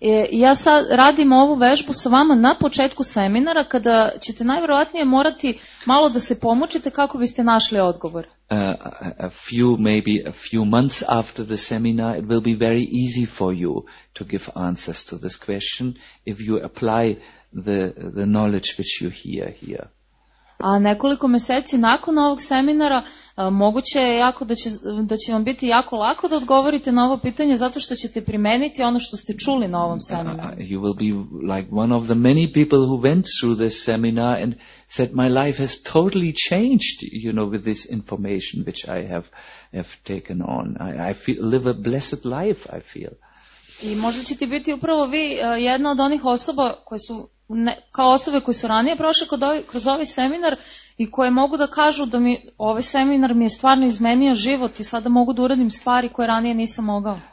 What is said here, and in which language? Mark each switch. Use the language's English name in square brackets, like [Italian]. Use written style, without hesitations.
[Serbian] Ja sad radim ovu vežbu sa vama na početku seminara, kada ćete najverovatnije morati malo da se pomučite kako biste našli odgovor. [English] A few months after the seminar, it will be very easy for you to give answers to this question if you apply the knowledge which you hear here. [Serbian] A nekoliko meseci nakon ovog seminara moguće je jako da će vam biti jako lako da odgovorite na ovo pitanje zato što ćete primeniti ono što ste čuli na ovom seminaru. [English] You will be like one of the many people who went through this seminar and said my life has totally changed, you know, with this information which I have taken on. I live a blessed life, I feel. [Serbian] I možda ćete biti upravo vi jedna od onih osoba koje su kao osobe koje su ranije prošle kroz ovaj seminar i koje mogu da kažu da mi ovaj seminar mi je stvarno izmenio život i sada mogu da uradim stvari koje ranije nisam mogao.